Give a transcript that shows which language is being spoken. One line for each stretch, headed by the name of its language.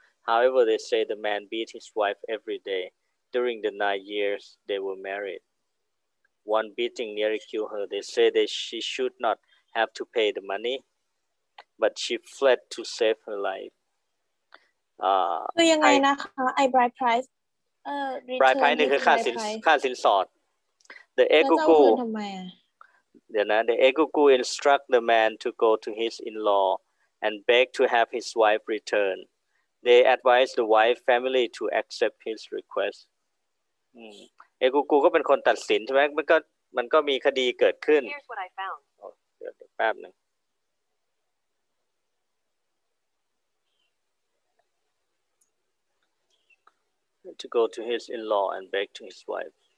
English: However, they say the man beat his wife every day during the 9 years they were married. One beating nearly killed her. They say that she should not have to pay the money, but she fled to save her life.
Thai: คือยังไงนะคะ
English: I bride price bride price
Thai: นี่คือค่าสินสอด
English: The egugu, the egugu instruct the man to go to his in-law and beg to have his wife return. They advise the wife family to accept his request.
Thai: Egugu ก็เป็นคนตัดสินใช่ไหมมันก็มีคดีเกิดขึ้น
English: Here's what I found.
Thai: แป๊บนึง
English: to go to his in-law and beg to his wife.